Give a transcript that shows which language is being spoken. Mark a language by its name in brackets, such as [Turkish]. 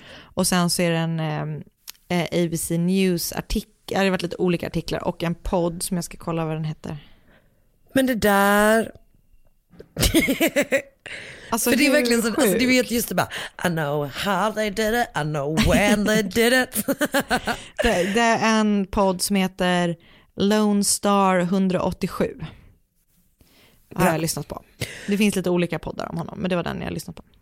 [Swedish] Och sen så är det en ABC News artikel. Det har varit lite olika artiklar. Och en podd som jag ska kolla vad den heter. Men det där. Alltså, för det är verkligen så. Alltså, du vet just det bara. [English] I know how they did it. I know when they did it. [Swedish] det är en podd som heter Lone Star 187. Har jag lyssnat på. Det finns lite olika poddar om honom. Men det var den jag lyssnat på.